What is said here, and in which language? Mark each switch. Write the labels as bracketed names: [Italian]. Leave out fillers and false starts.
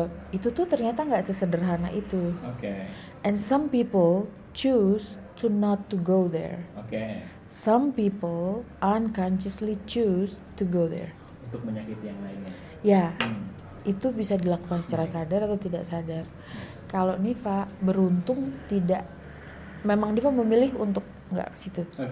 [Indonesian] Itu tuh ternyata nggak sesederhana itu. [English] And some people choose to not to go there. Some people unconsciously choose to go there. [Indonesian] Untuk menyakiti yang lainnya. Itu bisa dilakukan secara sadar atau tidak sadar. Kalau Niva beruntung tidak, memang Niva memilih untuk nggak situ.